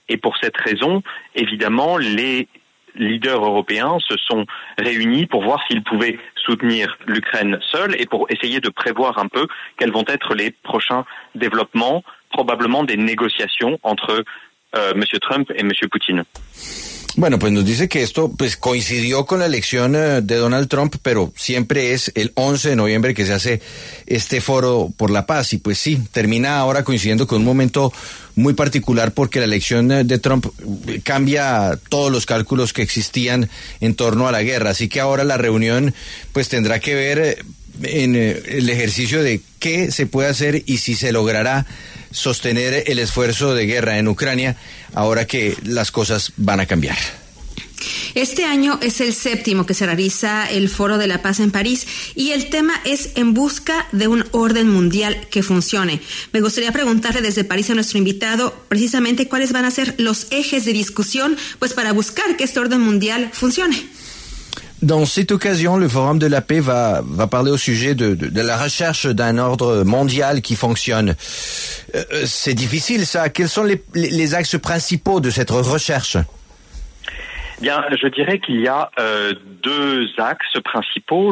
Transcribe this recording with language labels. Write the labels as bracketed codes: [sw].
[fr] Et pour cette raison, évidemment, les leaders européens se sont réunis pour voir s'ils pouvaient soutenir l'Ukraine seule et pour essayer de prévoir un peu quels vont être les prochains développements, probablement des négociations entre M. Trump et M. Poutine. [es] Bueno, pues nos dice que esto pues coincidió con la elección de Donald Trump, pero siempre es el 11 de noviembre que se hace este foro por la paz. Y pues sí, termina ahora coincidiendo con un momento muy particular porque la elección de Trump cambia todos los cálculos que existían en torno a la guerra. Así que ahora la reunión pues tendrá que ver en el ejercicio de qué se puede hacer y si se logrará sostener el esfuerzo de guerra en Ucrania ahora que las cosas van a cambiar. Este año es el séptimo que se realiza el Foro de la Paz en París y el tema es en busca de un orden mundial que funcione. Me gustaría preguntarle desde París a nuestro invitado precisamente cuáles van a ser los ejes de discusión pues para buscar que este orden mundial funcione. [fr] Dans cette occasion, le Forum de la Paix va parler au sujet de la recherche d'un ordre mondial qui fonctionne. C'est difficile ça. Quels sont les axes principaux de cette recherche? Bien, je dirais qu'il y a deux axes principaux.